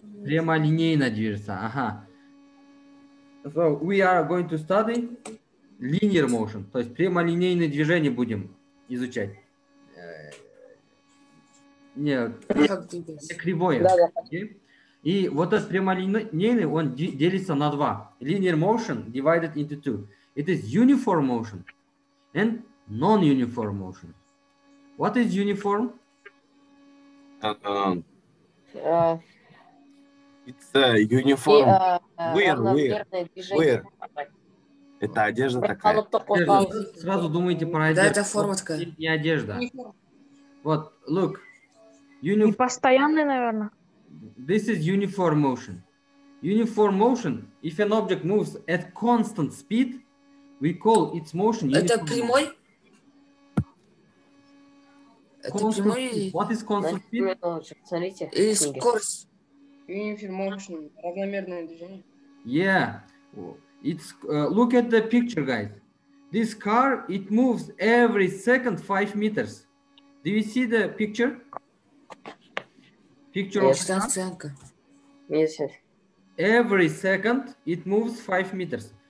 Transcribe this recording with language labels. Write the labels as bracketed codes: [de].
[ru] Прямолинейно движется, ага. [en] So we are going to study linear motion. [ru] То есть прямолинейное движение будем изучать. Нет, кривое. Да, да. И вот этот прямолинейный, он делится на два. [en] Linear motion divided into two. It is uniform motion and non-uniform motion. What is uniform? It's a uniform. Wear. [ru] Это одежда такая. Одежда. Сразу думаете про одежду. Да, это форма такая. Не одежда. Вот, look. Непостоянный, наверное. [en] This is uniform motion. Uniform motion, if an object moves at constant speed, we call its motion uniform. [ru] Это прямой? [en] Constant [ru] это прямой? [en] Speed. What is constant speed? [ru] Смотрите. И скорость. [en] Uniform motion, [ru] равномерное движение. [en] Yeah. It's, look at the picture, guys. This car, it moves every second 5 meters. Do you see the picture? Picture of every second it moves 5 meters.